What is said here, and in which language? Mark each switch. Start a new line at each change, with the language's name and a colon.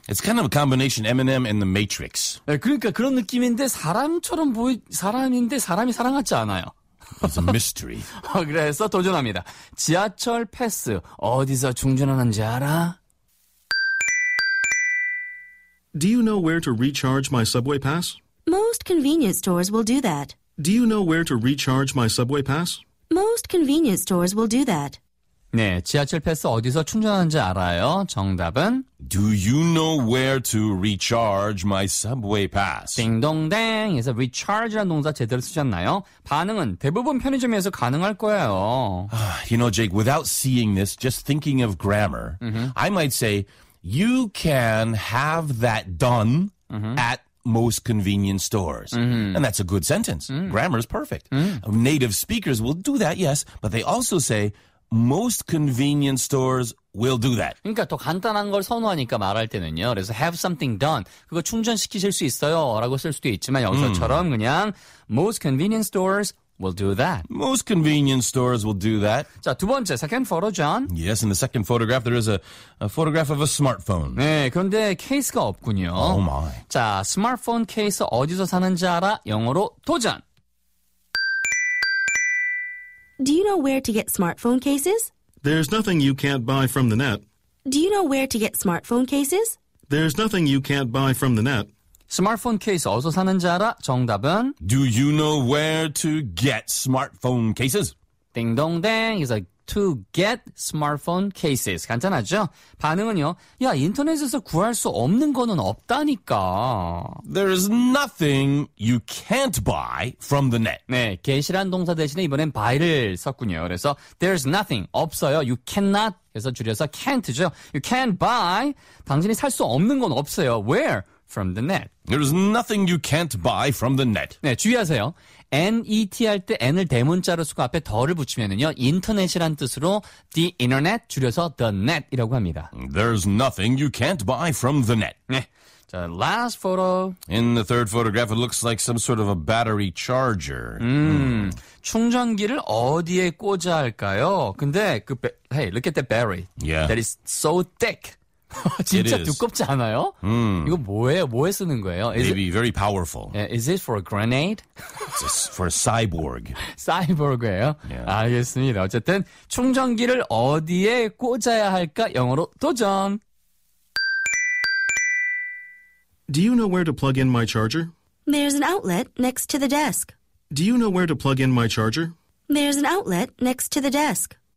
English: It's kind of a combination M&M and the Matrix.
Korean: 네, 그러니까 그런 느낌인데 사람처럼 보이 사람인데 사람이 사랑 같지 않아요.
English: It's a mystery.
Korean: 그래서 도전합니다. 지하철 패스 어디서 충전하는지 알아?
English: Do you know where to recharge my subway pass? Most convenience stores will do that. Do you know where to recharge my subway pass? Most convenience stores will do that.
Korean: 네, 지하철 패스 어디서 충전하는지 알아요? 정답은?
English: Do you know where to recharge my subway pass?
Korean: 딩동댕! 그래서 recharge라는 동사 제대로 쓰셨나요? 반응은 대부분 편의점에서 가능할 거예요.
English: You know, Jake, without seeing this, just thinking of grammar, I might say, You can have that done at most convenience stores. And that's a good sentence. Grammar is perfect. Native speakers will do that, yes, but they also say most convenience stores will do that.
Korean: 그러니까 더 간단한 걸 선호하니까 말할 때는요.
English: 그래서 have something done.
Korean: 그거 충전시키실 수 있어요라고 쓸 수도 있지만 여기서처럼 그냥
English: most convenience stores We'll do that. Most convenience stores will do that.
Korean: 자, 두 번째, second photo, John.
English: Yes, in the second photograph, there is a photograph of a smartphone.
Korean: 네, 그런데 케이스가 없군요.
English: Oh, my.
Korean: 자, 스마트폰 케이스 어디서 사는지 알아? 영어로 도전!
English: Do you know where to get smartphone cases? There's nothing you can't buy from the net. Do you know where to get smartphone cases? There's nothing you can't buy from the net.
Korean: 스마트폰 케이스 어디서 사는지 알아? 정답은
English: Do you know where to get smartphone cases?
Korean: 딩동댕
English: is a to get smartphone cases.
Korean: 간단하죠? 반응은요. 야, 인터넷에서 구할 수 없는 거는 없다니까.
English: There is nothing you can't buy from the net.
Korean: 네, get이라는 동사 대신에 이번엔 buy를 썼군요.
English: 그래서 there's nothing,
Korean: 없어요.
English: You cannot, 그래서 줄여서 can't죠. You can't buy,
Korean: 당신이 살 수 없는 건 없어요.
English: Where? From the net. There's nothing you can't buy from the net.
Korean: 네, 주의하세요. N-E-T 할 때 N을 대문자로 쓰고 앞에 덜을 붙이면은요, 인터넷이란 뜻으로 the internet 줄여서 the net이라고 합니다.
English: There's nothing you can't buy from the net.
Korean: 네. 자, last photo.
English: In the third photograph, it looks like some sort of a battery charger.
Korean: 충전기를 어디에 꽂아야 할까요?
English: 근데 그, hey, look at that battery. Yeah. That is so thick.
Korean: 진짜 두껍지 않아요? 이거 뭐예요? 뭐에 쓰는 거예요?
English: Maybe very powerful. Yeah, is it for a grenade? for a cyborg.
Korean: 사이보그예요?
English: Yeah.
Korean: 알겠습니다. 어쨌든 충전기를 어디에 꽂아야 할까? 영어로 도전!
English: Do you know where to plug in my charger? There's an outlet next to the desk. Do you know where to plug in my charger? There's an outlet next to the desk.